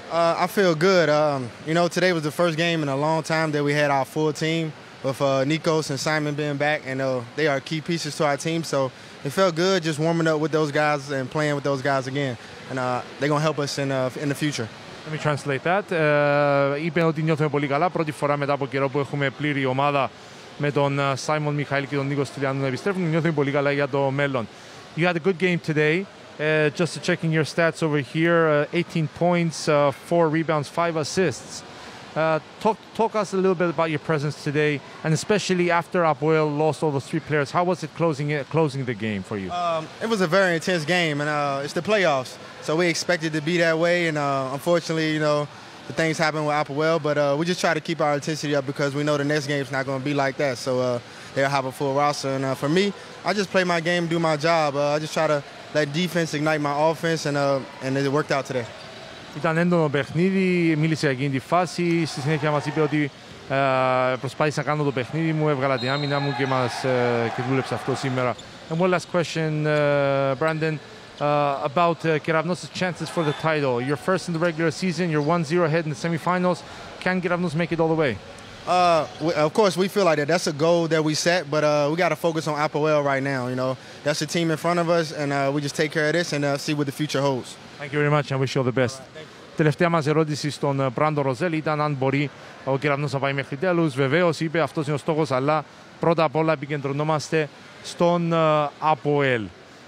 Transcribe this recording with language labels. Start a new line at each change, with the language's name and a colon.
English: I feel good. You know, today was the first game in a long time that we had our full team, with Nikos and Simon being back, and they are key pieces to our team. So it felt good just warming up with those guys and playing with those guys again. And they're going to help us in the future. Let me translate that.
Greek: Είπε ότι νιώθουμε πολύ καλά. Πρώτη φορά μετά από καιρό που έχουμε πλήρη ομάδα με τον Σάιμον Μιχαήλ και τον Νίκο Στυλιανού να επιστρέφουν. Νιώθουμε πολύ καλά για το μέλλον.
English: You had a good game today. Just checking your stats over here. 18 points, 4 rebounds, 5 assists. Talk us a little bit about your presence today, and especially after Apoel lost all those 3 players, how was it closing the game for you? It was a very intense game, and it's the playoffs, so we expected to be that way, and unfortunately, you know, the things happened with Apoel, but we just try to keep our intensity up because we know the next game's not going to be like that, so they'll have a full roster, and for me, I just play my game, do my job. I just try to let defense ignite my offense, and it worked out today.
Greek: Ήταν έντονο παιχνίδι, μίλησε για εκείνη τη φάση. Στη συνέχεια μας είπε ότι προσπάθησα να κάνω το παιχνίδι μου, έβγαλα την άμυνα μου και μας και δούλεψε αυτό σήμερα.
English: And one last question, Brandon, about Keravnos' chances for the title. You're first in the regular season, you're 1-0 ahead in the semifinals. Can Keravnos make it all the way? Of course, we feel like that. That's a goal that we set, but we got to focus on Apoel right now. You know, that's the team in front of us, and we just take care of this and see what the future holds. Thank you very much, and wish you all the best.
Greek: Τελευταία μας ερώτηση στον Brandon Rozelle ήταν αν μπορεί ο Κεραυνός να πάει μέχρι τέλους. Βεβαίως, είπε, αυτός είναι ο στόχος, αλλά πρώτα απ' όλα επικεντρωνόμαστε στον Apoel.